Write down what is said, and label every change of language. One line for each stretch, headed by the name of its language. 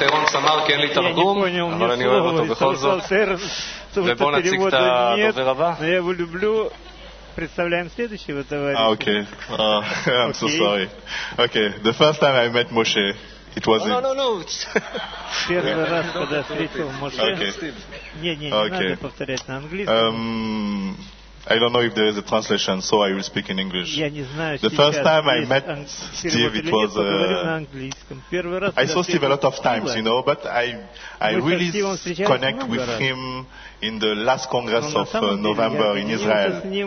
Hebrew: לא הבנתי מילה ממה שטהרון סמר, כי אין לי תרגום, אבל אני אוהב אותו בכל זאת. ובוא נציג את הדובר הבא.
Russian: Но я его люблю. Представляем следующего товарища.
English: Okay. I'm so sorry. Okay. The first time I met Moshe, it was... No.
Russian: Первый раз, когда встретил Моше. Не надо повторять на английском.
English: I don't know if there is a translation, so I will speak in English. The first time I met Steve, it was... I saw Steve a lot of times, you know, but I really connect with him in the last Congress of November in Israel.